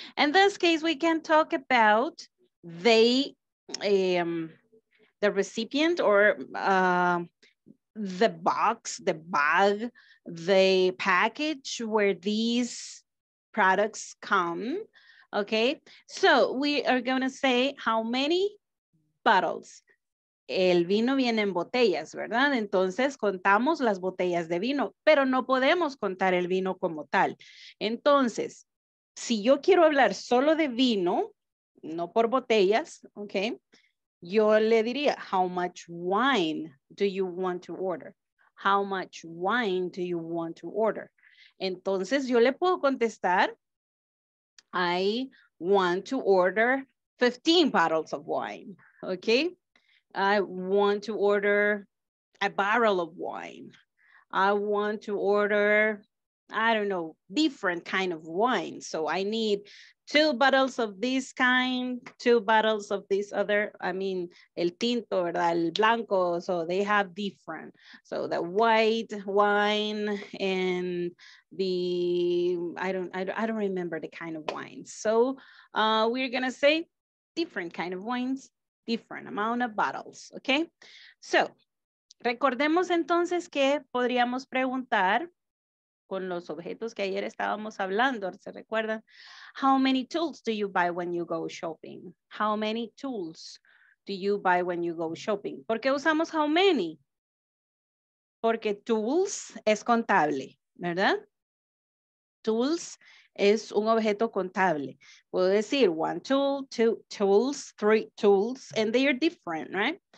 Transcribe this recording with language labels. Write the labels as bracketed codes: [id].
[en] In this case, we can talk about the recipient or the box, the bag, the package where these products come, okay? So we are gonna say how many bottles. [es] El vino viene en botellas, ¿verdad? Entonces contamos las botellas de vino, pero no podemos contar el vino como tal. Entonces, si yo quiero hablar solo de vino, no por botellas, ¿ok? Yo le diría, [en] how much wine do you want to order? How much wine do you want to order? [es] Entonces yo le puedo contestar, [en] I want to order 15 bottles of wine, ¿ok? I want to order a barrel of wine. I want to order I don't know, different kind of wine. So I need 2 bottles of this kind, 2 bottles of this other. I mean, [es] el tinto, ¿verdad? El blanco. [en] So they have different. So the white wine and the, I don't remember the kind of wine. So we're going to say different kind of wines, different amount of bottles. Okay. [es] So recordemos entonces que podríamos preguntar con los objetos que ayer estábamos hablando, ¿se recuerdan? [en] How many tools do you buy when you go shopping? How many tools do you buy when you go shopping? [es] ¿Por qué usamos [en] how many? [es] Porque tools es contable, ¿verdad? Tools es un objeto contable. Puedo decir 1 tool, 2 tools, 3 tools, [en] and they are different, right?